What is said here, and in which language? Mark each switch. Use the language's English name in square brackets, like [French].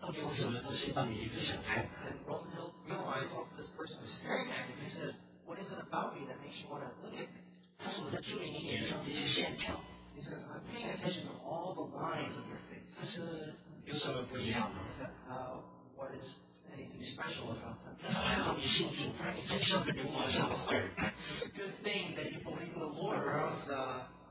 [English] Roman Hill realized what this person was staring at him. He said, "What is it about me that makes you want to look at me?" [Chinese] 他说我在注意你脸上这些线条。 [English] He says, "I'm paying attention to all the lines on your face." [Chinese] 他说有什么不一样吗 [English] ？What is anything special about them? [Chinese] 他说还好你信主，不然你真像个流氓，像个坏人。 [English] It's a good thing that you believe in the Lord, or else